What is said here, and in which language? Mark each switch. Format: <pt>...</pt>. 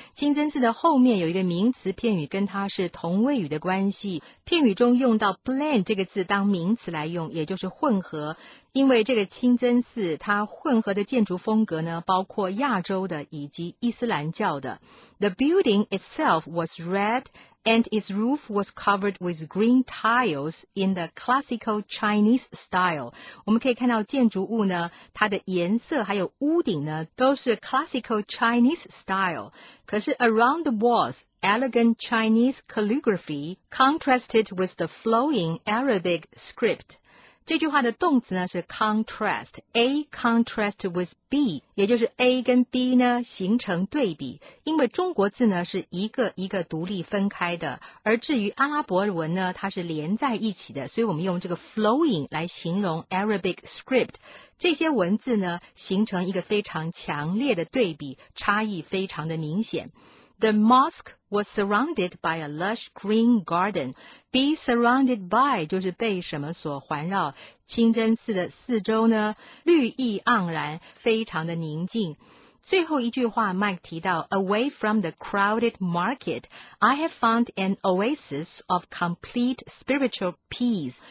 <zh>清真寺的后面有一个名词片语，跟它是同位语的关系。片语中用到 blend 这个字当名词来用，也就是混合。因为这个清真寺它混合的建筑风格呢，包括亚洲的以及伊斯兰教的。</zh> <en>The building itself was red and its roof was covered with green tiles in the classical Chinese style.</en> <zh>我们可以看到建筑物呢，它的颜色还有屋顶呢，都是</zh> <en>classical Chinese style.</en> <zh>可是</zh> <en>around the wallsElegant Chinese calligraphy contrasted with the flowing Arabic script.</en> <zh>这句话的动词呢是 contrast,</zh> <en>A contrast with B,</en> <zh>也就是 A 跟 B 呢形成对比。因为中国字呢是一个一个独立分开的，而至于阿拉伯文呢它是连在一起的，所以我们用这个 flowing 来形容 Arabic script。这些文字呢形成一个非常强烈的对比，差异非常的明显。</zh> <en>The mosque was surrounded by a lush green garden. Be surrounded by</en> <zh>就是被什么所环绕。清真寺的四周呢，绿意盎然，非常的宁静。最后一句话</zh> <en>，Mike</en> <zh>提到</zh> <en>，Away from the crowded market, I have found an oasis of complete spiritual peace.</en>